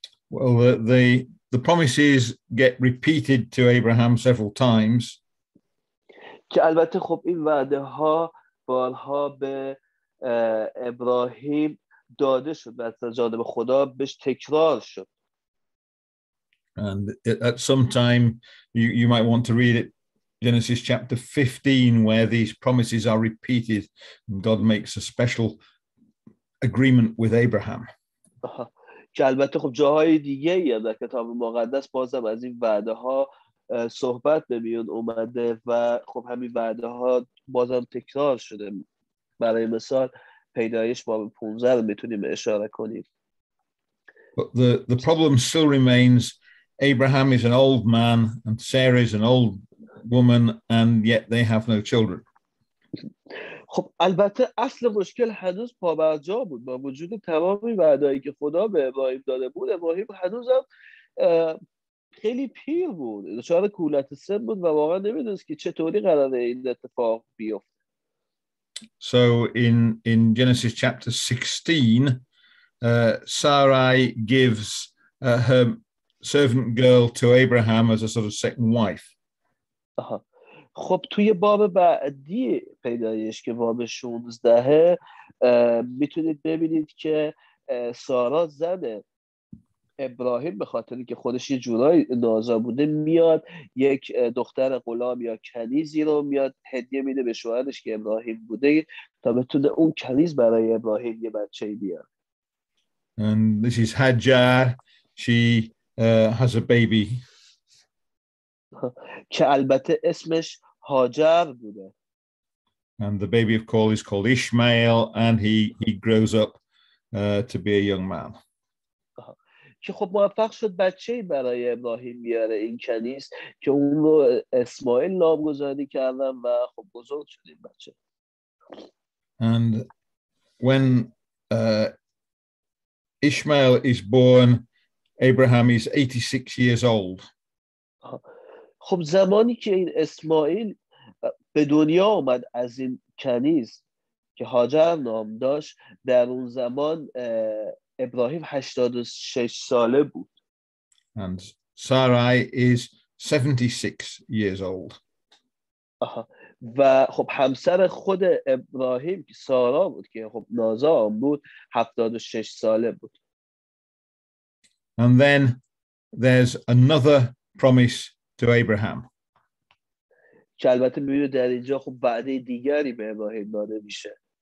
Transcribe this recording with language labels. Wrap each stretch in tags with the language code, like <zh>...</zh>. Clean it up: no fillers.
<en>Well, the promises get repeated to Abraham several times.</en> <fa>که البته خب این وعده ها بارها به ابراهیم داده شد و از جانب خدا بهش تکرار شد.</fa> <en>And at some time you might want to read it, Genesis chapter 15, where these promises are repeated and God makes a special agreement with Abraham.</en> <fa>که البته خب جاهای دیگه ای در کتاب مقدس بازم از این وعده ها صحبت به میون اومده و خب همین وعده ها بازم تکرار شده. برای مثال پیدایش باب 15 رو میتونیم اشاره کنیم.</fa> <en>But the problem still remains. Abraham is an old man and Sarah is an old woman and yet they have no children.</en> <fa>خب البته اصل مشکل هنوز پابرجا بود. با وجود تمام وعده‌ای که خدا به ابراهیم داده بود، ابراهیم هنوزم خیلی پیر بود، دچار کهولت سن بود و واقعا نمیدونست که چطوری قراره این اتفاق بیفته.</fa> <en>So in Genesis chapter 16, Sarai gives her servant girl to Abraham as a sort of second wife.</en> <fa>خب توی باب بعدی پیدایش که باب 16 میتونید ببینید که سارا زن ابراهیم به خاطر اینکه خودش یه جورای نازا بوده میاد یک دختر غلام یا کنیزی رو میاد هدیه میده به شوهرش که ابراهیم بوده تا بتونه اون کنیز برای ابراهیم یه بچه بیاد.</fa> <en>And this is Hajar. She has a baby.</en> <fa>که البته اسمش هاجر بوده.</fa> <en>And the baby of course is called Ishmael and he grows up to be a young man.</en> <fa>که خب موفق شد بچه برای ابراهیم بیاره این کنیز که اون رو اسماعیل نامگذاری کردن و خب بزرگ شد این بچه.</fa> <en>And when Ishmael is born, Abraham is 86 years old.</en> <fa>خب زمانی که این اسماعیل به دنیا اومد از این کنیز که هاجر نام داشت، در اون زمان ابراهیم 86 ساله بود.</fa> <en>And Sarai is 76 years old. آها.</en> <fa>و خب همسر خود ابراهیم که سارا بود که خب نازا هم بود 76 ساله بود.</fa> <en>And then there's another promise to Abraham.</en> <fa>که البته می‌بینید در اینجا خب وعده دیگری به ابراهیم داده میشه.</fa>